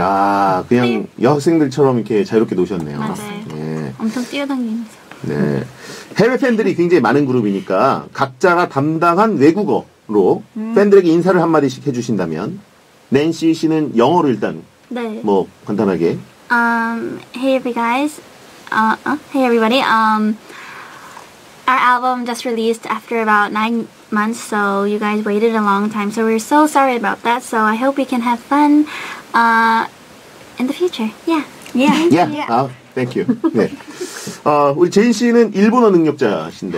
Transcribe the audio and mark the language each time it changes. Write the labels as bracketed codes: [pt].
[ko] 야 그냥 여학생들처럼 이렇게 자유롭게 노셨네요. 맞아요. 네. 엄청 뛰어다니면서. 네. 해외 팬들이 굉장히 많은 그룹이니까 각자가 담당한 외국어로 팬들에게 인사를 한마디씩 해주신다면 낸시 씨는 영어로 일단 네. 뭐 간단하게 [en] Hey you guys Hey everybody Our album just released after about 9 months, so you guys waited a long time. So we're so sorry about that. So I hope we can have fun in the future. Yeah. Yeah. Yeah. Yeah. Thank you. 네. [ko] 우리 제인 씨는 일본어 능력자신데.